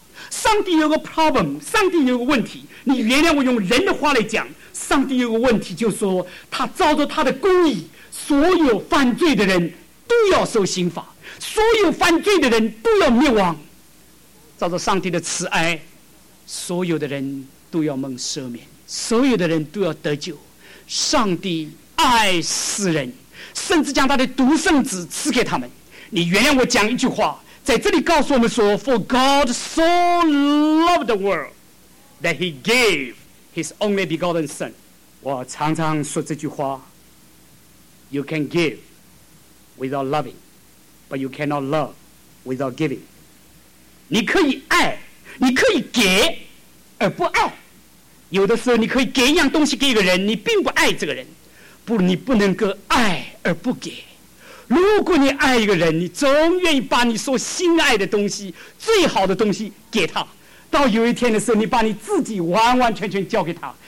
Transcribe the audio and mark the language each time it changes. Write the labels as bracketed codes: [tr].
[zh] 上帝有个 problem， 上帝有个问题，你原谅我用人的话来讲，上帝有个问题，就是说他照着他的公义，所有犯罪的人都要受刑罚，所有犯罪的人都要灭亡。照着上帝的慈爱，所有的人都要蒙赦免，所有的人都要得救。上帝爱世人，甚至将他的独生子赐给他们。你原谅我讲一句话，在这里告诉我们说， [en] For God so loved the world that he gave his only begotten son。 [zh] 我常常说这句话， [en] You can give without loving, but you cannot love without giving。 [zh] 你可以爱，你可以给而不爱。有的时候你可以给一样东西给一个人，你并不爱这个人，不，你不能够爱而不给。如果你爱一个人，你总愿意把你所心爱的东西、最好的东西给他，到有一天的时候，你把你自己完完全全交给他。